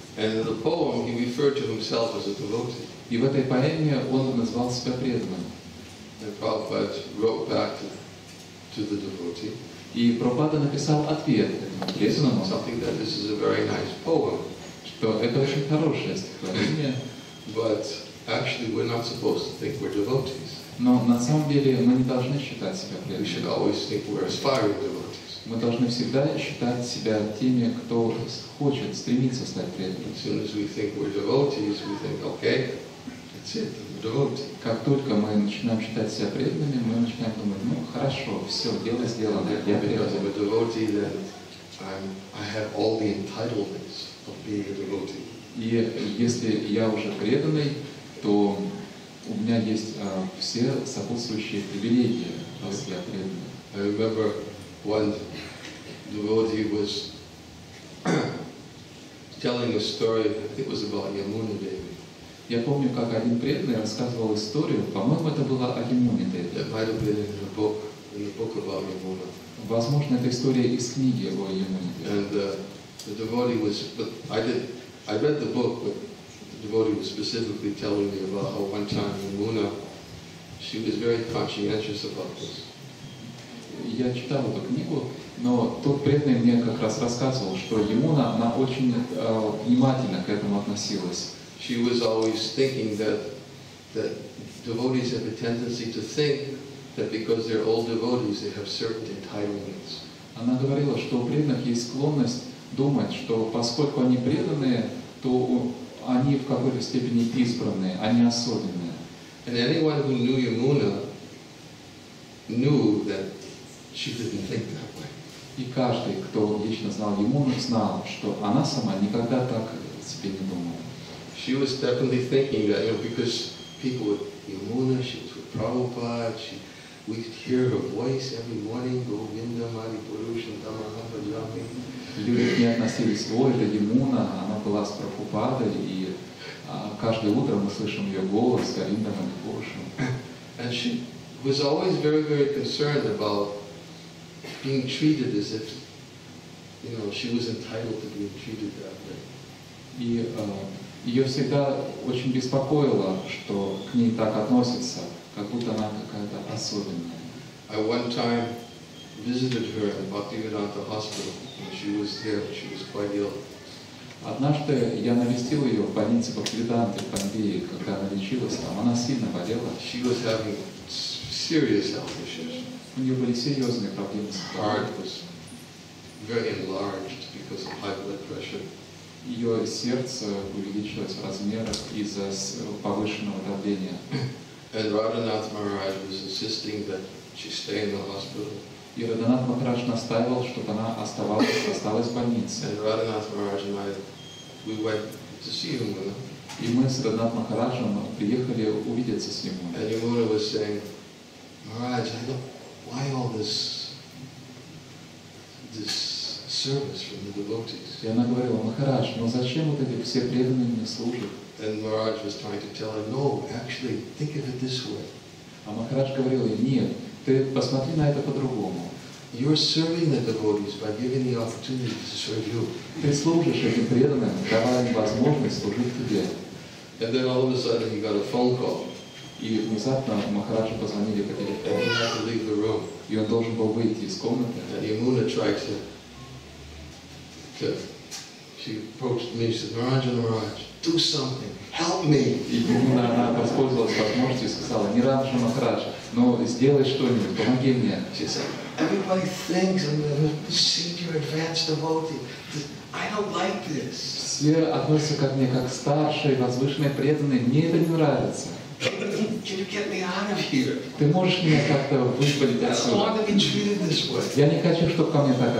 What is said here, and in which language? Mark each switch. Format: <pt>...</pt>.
<en>And in the poem he referred to himself as a devotee.</en> <ru>И в этой поэме он назвал себя преданным.</ru> <en>And Prabhupada wrote back to the devotee.</en> <ru>И Прабхупада написал ответ преданному.</ru> <en>Something that this is a very nice poem.</en> <ru>Что это очень хорошее стихотворение.</ru> <en>But actually we're not supposed to think we're devotees.</en> <ru>Но на самом деле мы не должны считать себя преданными.</ru> <en>We should always think we're aspiring devotees.</en> <ru>Мы должны всегда считать себя теми, кто хочет, стремится стать преданным.</ru> <en>As soon as we think we're devotees, we think, okay, that's it, we're devotees.</en> <ru>Как только мы начинаем считать себя преданными, мы начинаем думать, ну хорошо, все, дело сделано, я предан.</ru> <en>Because I'm a devotee, then I have all the entitlements. Being a devotee.</en> <ru>И если я уже преданный, то у меня есть все сопутствующие привилегии, если я преданный.</ru> <en>I remember one devotee was telling a story, I think it was about Yamuna Devi.</en> <ru>Я помню, как один преданный рассказывал историю, по-моему, это было о Yamuna Devi.</ru> <en>It might have been in the book about Yamuna.</en> <ru>Возможно, это история из книги о Yamuna Devi.</ru> <en>The devotee was, but I read the book, but the devotee was specifically telling me about how one time Yamuna, she was very conscientious about this.</en> <ru>Я читал эту книгу, но тот преданный мне как раз рассказывал, что Yamuna, она очень внимательно к этому относилась.</ru> <en>She was always thinking that devotees have a tendency to think that because they're old devotees, they have certain entitlements.</en> <ru>Она говорила, что у преданных есть склонность думать, что поскольку они преданные, то они в какой-то степени избранные, они особенные.</ru> <en>And anyone who knew Yamuna knew that She didn't think that way.</en> <ru>И каждый, кто лично знал ему, знал, что она сама никогда так себе не думала.</ru> <en>She was definitely thinking that, you know, because people with Yamuna, she was with Prabhupada, we could hear her voice every morning,</en> <sa>Govinda Mari Purusha Dhamma Hapajami.</sa> <ru>Люди к ней относились, ой, это Yamuna, она была с Прабхупадой, и каждое утро мы слышим ее голос,</ru> <sa>Govinda Mari Purusha.</sa> <en>And she was always very, very concerned about being treated as if, you know, she was entitled to being treated that way.</en> <ru>И ее всегда очень беспокоило, что к ней так относятся, как будто она какая-то особенная.</ru> <en>I one time visited her in Bhaktivedanta Hospital, and she was there, she was quite ill.</en> <ru>Однажды я навестил ее в больнице Бхактивиданты в Бомбее, когда она лечилась там, она сильно болела.</ru> <en>She was having serious health issues.</en> <ru>У нее были серьезные проблемы.</ru> <en>Her heart was very enlarged because of high blood pressure.</en> <ru>Ее сердце увеличилось в размерах из-за повышенного давления.</ru> <en>And Radhanath Maharaj was insisting that she stay in the hospital.</en> <ru>И Радханат Махарадж настаивал, чтобы она осталась в больнице.</ru> <en>And Radhanath Maharaj and I, we went to see him.</en> <ru>И мы с Радханат Махараджем приехали увидеться с ним.</ru> <en>And Yamuna was saying, Maharaj, I don't. Why all this, service from the devotees?</en> <ru>И она говорила, Махарадж, но зачем вот эти все преданные мне служат?</ru> <en>And Maharaj was trying to tell her, no, actually, think of it this way.</en> <ru>А Махарадж говорил ей, нет, ты посмотри на это по-другому.</ru> <en>You're serving the devotees by giving the opportunity to serve you.</en> <ru>Ты служишь этим преданным, давая им возможность служить тебе.</ru> <en>And then all of a sudden he got a phone call.</en> <ru>И внезапно Махараджу позвонили по телефону. И он должен был выйти из комнаты.</ru> <en>And Yamuna tried to, she approached me, she said, Maharaja, Maharaj, do something, help me.</en> <ru>И Yamuna, она воспользовалась возможностью и сказала, Niranjan Maharaj, но сделай что-нибудь, помоги мне.</ru> <en>She said, everybody thinks I'm a senior advanced devotee. I don't like this.</en> <ru>Все относятся ко мне как старшие, возвышенные, преданные. Мне это не нравится. Ты можешь меня как-то выпалить отсюда? Я не хочу, чтобы ко мне так</ru>